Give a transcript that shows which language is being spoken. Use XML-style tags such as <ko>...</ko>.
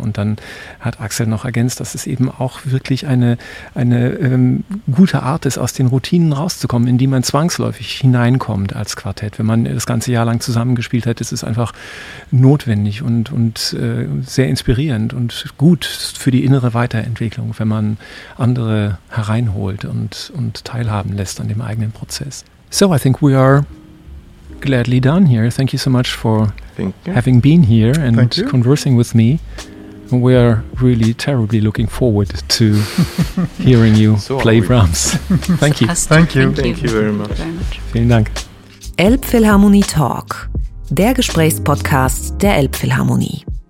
<de>Und dann hat Axel noch ergänzt, dass es eben auch wirklich eine gute Art ist, aus den Routinen rauszukommen, in die man zwangsläufig hineinkommt als Quartett. Wenn man das ganze Jahr lang zusammengespielt hat, ist es einfach notwendig und sehr inspirierend. Und gut für die innere Weiterentwicklung, wenn man andere hereinholt und teilhaben lässt an dem eigenen Prozess.</de> <en>So, I think we are gladly done here. Thank you so much for having been here and conversing with me. We are really terribly looking forward to hearing you play Brahms. Thank you. Thank you. Thank you very much.</en> <de>Vielen Dank. Elbphilharmonie Talk, der Gesprächspodcast der Elbphilharmonie.</de>